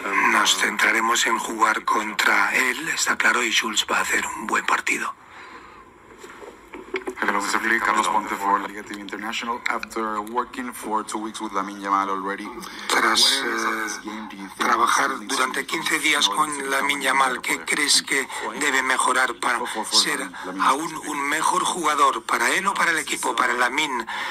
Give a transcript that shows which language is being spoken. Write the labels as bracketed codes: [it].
[es] Nos centraremos en jugar contra él, está claro, y Jules va a hacer un buen partido. [en] Carlos Ponte for Liga TV International. After working for 2 weeks with Lamine Yamal already, [es] tras trabajar durante 15 días con Lamine Yamal, ¿qué crees que debe mejorar para ser aún un mejor jugador para él o para el equipo, para Lamine?